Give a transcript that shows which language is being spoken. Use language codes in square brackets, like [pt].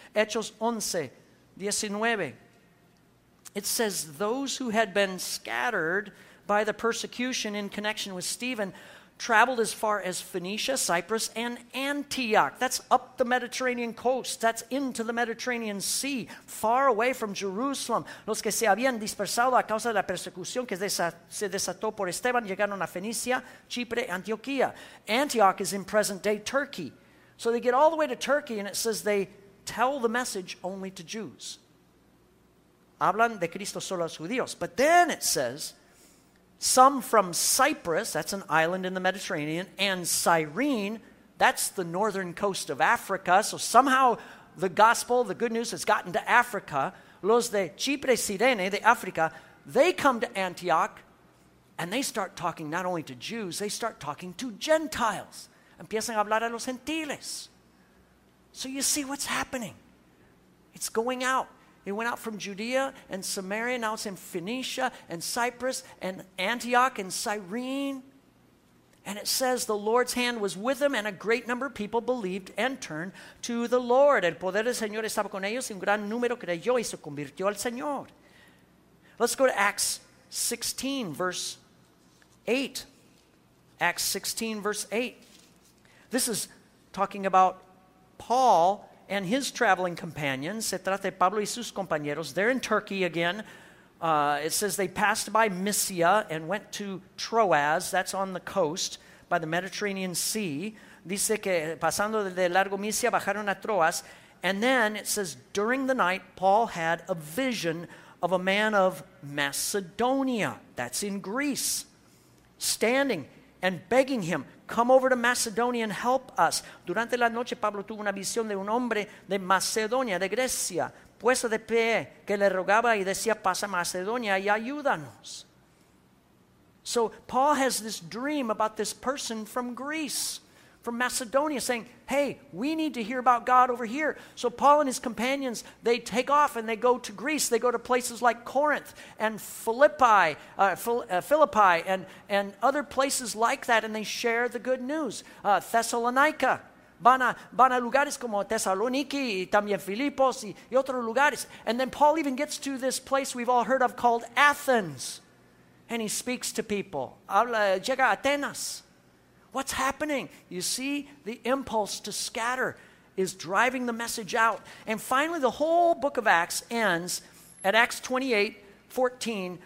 [en] Hechos 11, 19. It says, those who had been scattered by the persecution in connection with Stephen traveled as far as Phoenicia, Cyprus, and Antioch. That's up the Mediterranean coast. That's into the Mediterranean Sea, far away from Jerusalem. [es] Los que se habían dispersado a causa de la persecución que se desató por Esteban llegaron a Fenicia, Chipre, Antioquía. [en] Antioch is in present-day Turkey. So they get all the way to Turkey, and it says they tell the message only to Jews. [es] Hablan de Cristo solo a los judíos. [en] But then it says, some from Cyprus, that's an island in the Mediterranean, and Cyrene, that's the northern coast of Africa. So somehow the gospel, the good news has gotten to Africa. [es] Los de Chipre, Cyrene, de Africa, [en] they come to Antioch and they start talking not only to Jews, they start talking to Gentiles. [es] Empiezan a hablar a los gentiles. [en] So you see what's happening. It's going out. It went out from Judea and Samaria. Now it's in Phoenicia and Cyprus and Antioch and Cyrene. And it says the Lord's hand was with them and a great number of people believed and turned to the Lord. [es] El poder del Señor estaba con ellos y un gran número creyó y se convirtió al Señor. [en] Let's go to Acts 16, verse 8. Acts 16, verse 8. This is talking about Paul and his traveling companions. [es] Se trata de Pablo y sus compañeros. [en] They're in Turkey again. It says they passed by Mysia and went to Troas. That's on the coast by the Mediterranean Sea. [es] Dice que pasando de largo Mysia bajaron a Troas. [en] And then it says during the night Paul had a vision of a man of Macedonia. That's in Greece. Standing and begging him, come over to Macedonia and help us. [es] Durante la noche, Pablo tuvo una visión de un hombre de Macedonia, de Grecia, puesto de pie, que le rogaba y decía, pasa Macedonia y ayúdanos. [en] So Paul has this dream about this person from Greece, from Macedonia, saying, hey, we need to hear about God over here. So Paul and his companions, they take off and they go to Greece. They go to places like Corinth and Philippi and other places like that, and they share the good news. Thessalonica. [es] Van a lugares como Thessaloniki y también Filipos y otros lugares. [en] And then Paul even gets to this place we've all heard of called Athens. And he speaks to people. [es] Llega a Atenas. [en] What's happening? You see, the impulse to scatter is driving the message out. And finally, the whole book of Acts ends at Acts 28, 14.